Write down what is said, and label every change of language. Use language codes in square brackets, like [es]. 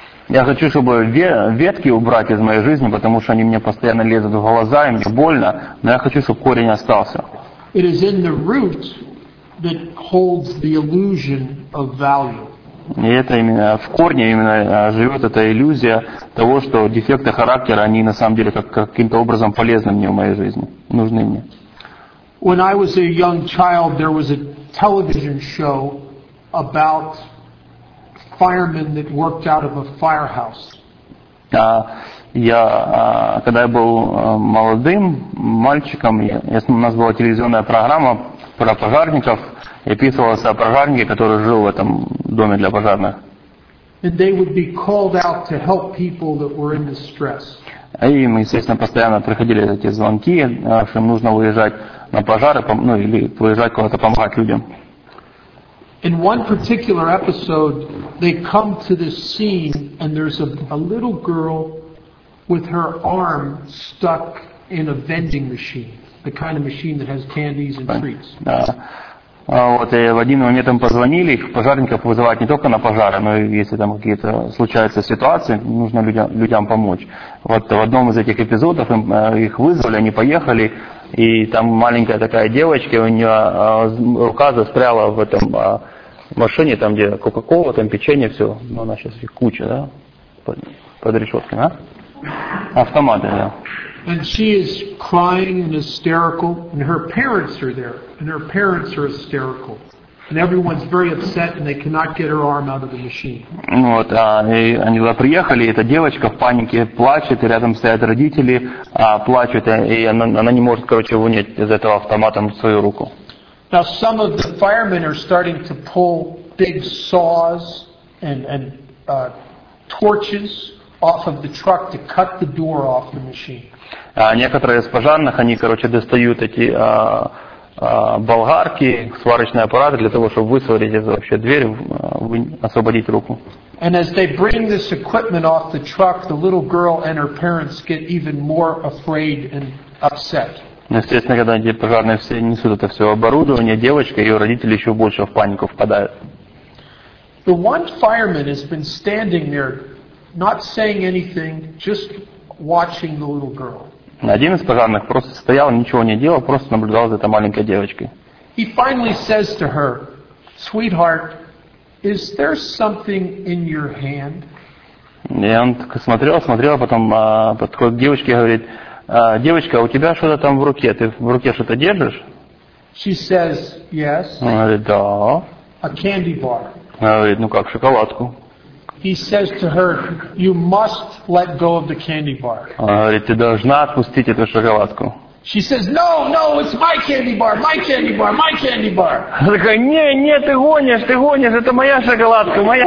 [ru] Я хочу, чтобы ветки убрать из моей жизни, потому что они мне постоянно лезут в глаза и мне больно, но я хочу, чтобы корень остался. [en] It is in the root that holds the illusion of value. [ru] И это именно в корне именно живет эта иллюзия того, что дефекты характера, они на самом деле как каким-то образом полезны мне в моей жизни, нужны мне. [en] When I was a young child, there was a television show about firemen that worked out of a firehouse. [ru] Когда я был молодым мальчиком, у нас была телевизионная программа про пожарников, и описывался о пожарнике, который жил в этом доме для пожарных. [en] And they would be called out to help people that were in distress. [ru] И им, естественно, постоянно приходили эти звонки, что им нужно выезжать на пожары, ну или выезжать куда-то помогать людям. [en] In one particular episode, they come to this scene, and there's a little girl with her arm stuck in a vending machine, the kind of machine that has candies and treats. [ru] Вот, и в один момент им позвонили, их пожарников вызывают не только на пожары, но и если там какие-то случаются ситуации, нужно людям помочь. Вот в одном из этих эпизодов их вызвали, они поехали, и там маленькая такая девочка, у нее рука застряла в этом машине, там где Кока-Кола, там печенье, все. Но она сейчас их куча, да, под решеткой, да? Автоматы, да. [en] And she is crying and hysterical, and her parents are there, and her parents are hysterical, and everyone's very upset, and they cannot get her arm out of the machine. [ru] Вот, они туда приехали, эта девочка в панике плачет, и рядом стоят родители, плачут, и она не может, короче, вынуть из этого автомата свою руку. [en] Now some of the firemen are starting to pull big saws and torches off of the truck to cut the door off the machine. [ru] Некоторые из пожарных, они, короче, достают эти болгарки, сварочные аппараты для того, чтобы высварить вообще дверь, освободить руку. [en] And as they bring this equipment off the truck, the little girl and her parents get even more afraid and upset. [ru] Естественно, когда эти пожарные все несут это все оборудование, девочка и ее родители еще больше в панику впадают. [en] The one fireman has been standing there, not saying anything, just watching the little girl. [ru] Один из пожарных просто стоял, ничего не делал, просто наблюдал за этой маленькой девочкой. [en] He finally says to her, "Sweetheart, is there something in your hand?" [ru] И он смотрел, потом подходит к девочке и говорит, "Девочка, у тебя что-то там в руке, ты в руке что-то держишь?" [en] She says, "Yes." [ru] Он говорит, "Да." [en] A candy bar. [ru] Она говорит, ну как, шоколадку. [en] He says to her, "You must let go of the candy bar." [ru] Она говорит, ты должна отпустить эту шоколадку. [en] She says, "No, it's my candy bar, my candy bar." [ru] Она такая, не, ты гонишь, это моя шоколадка.